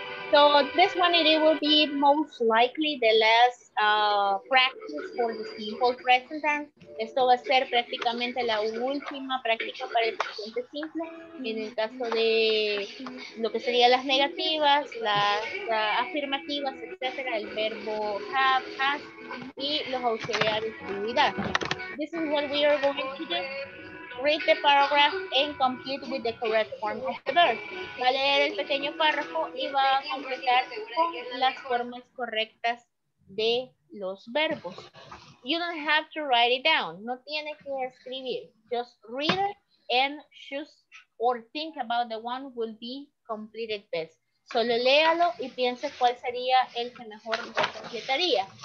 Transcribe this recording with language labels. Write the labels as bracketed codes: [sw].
[en] So this one, it will be most likely the last practice for the simple present tense. [es] Esto va a ser prácticamente la última práctica para el presente simple. En el caso de lo que serían las negativas, las afirmativas, etcétera, el verbo have, has, y los auxiliares do y that. [en] This is what we are going to do. Read the paragraph and complete with the correct form of the verb. [es] Va a leer el pequeño párrafo y va a completar con las formas correctas de los verbos. [en] You don't have to write it down. [es] No tiene que escribir. [en] Just read it and choose or think about the one will be completed best. So [es] Solo léalo y piense cuál sería el que mejor lo completaría.